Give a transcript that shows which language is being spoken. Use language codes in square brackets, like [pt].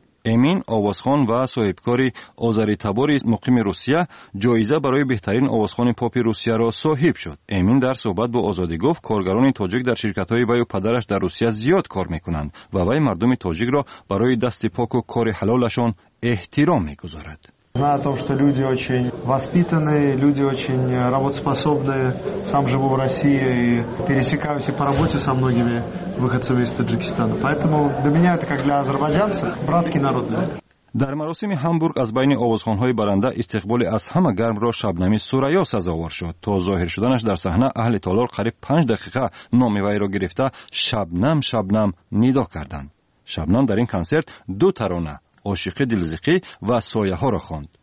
[fa] امین آوازخوان و صاحبکاری آذری تباری مقیم روسیه جایزه برای بهترین آوازخوان پاپ روسیه را صاحب شد. امین در صحبت با آزادی گفت کارگران تاجیک در شرکت‌های وی و پدرش در روسیه زیاد کار می‌کنند و وی مردم تاجیک را برای دست پاک و کار حلالشان احترام می‌گذارد. [ru] Знаю о том, что люди очень воспитанные, люди очень работоспособные. Сам живу в России и пересекаюсь и по работе со многими выходцами из Таджикистана. Поэтому для меня это, как для азербайджанца, братский народ. [tg] Дар маросими Ҳамбург аз байни овозхонҳои баранда истиқболи аз ҳама гармро Шабнами Сурайё сазовор шуд. То зоҳир шуданаш дар саҳна аҳли толор қариб 5 дақиқа номи вайро гирифта Шабнам Шабнам нидо карданд. Шабнам дар ин консерт ду тарона Ошиқи дилзиқӣ ва Сояҳоро хонд.